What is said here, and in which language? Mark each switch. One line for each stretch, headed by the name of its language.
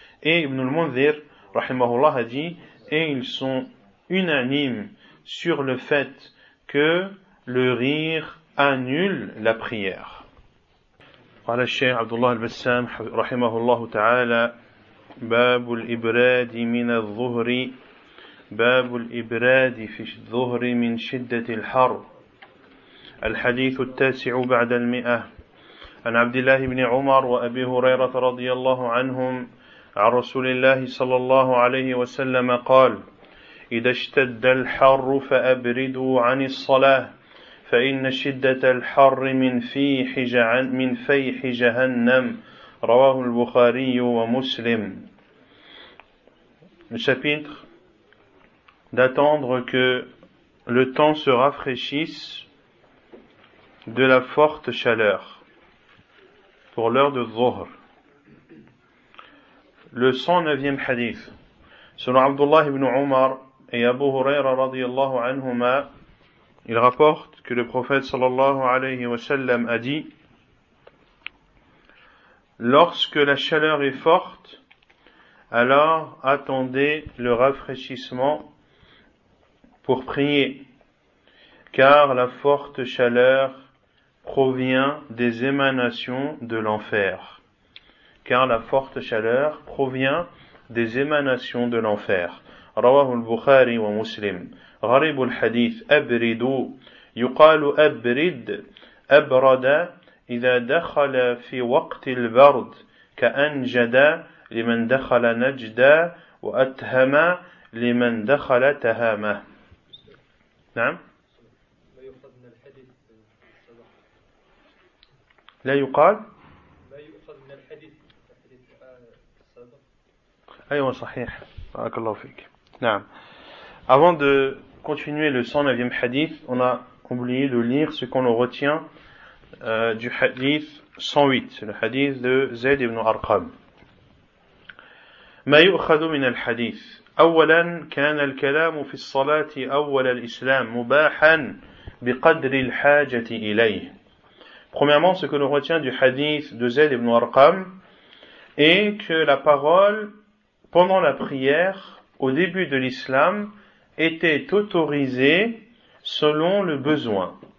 French: Et Ibn al-Mundhir, rahimahullah, a dit, et ils sont unanimes sur le fait que le rire annule la prière.
Arabic: Qala Cheikh Abdullah al-Bassam, rahimahullah ta'ala, باب الإبراد من الظهر. باب الإبراد في الظهر من شدة الحر. الحديث التاسع بعد المئة. عن عبد الله بن عمر وأبي هريرة رضي الله عنهم عن رسول الله صلى الله عليه وسلم قال: إذا اشتد الحر فأبردوا عن الصلاة، فإن شدة الحر من فيح جهنم. رواه البخاري ومسلم.
French: Le chapitre, d'attendre que le temps se rafraîchisse de la forte chaleur pour l'heure de Dhuhr. Le 109e hadith, selon Abdullah ibn Umar et Abu Huraira
Arabic: radiyallahu anhuma,
French: il rapporte que le prophète
Arabic: sallallahu alayhi wa sallam
French: a dit: lorsque la chaleur est forte, alors attendez le rafraîchissement pour prier. car la forte chaleur provient des émanations de l'enfer. Car la forte chaleur provient des émanations de l'enfer.
Arabic: رواه البخاري ومسلم. غريب الحديث أبردوا يقال أبرد أبرد إذا دخل في وقت البرد كأنجد لمن دخل نجدا وأتهم لمن دخل تهامة. نعم لا يقال ما يؤخذ من الحديث أيوة صحيح بارك الله فيك. نعم.
French: Avant de continuer le 109e hadith, on a oublié de lire ce qu'on retient du hadith 108, le hadith de Zayd ibn Arqam.
Arabic: ما يؤخذ من الحديث أولا كان الكلام في الصلاة أول الإسلام مباحا بقدر الحاجة إليه.
French: Premièrement, ce que l'on retient du hadith de Zayd ibn Arqam est que la parole pendant la prière au début de l'islam était autorisé selon le besoin.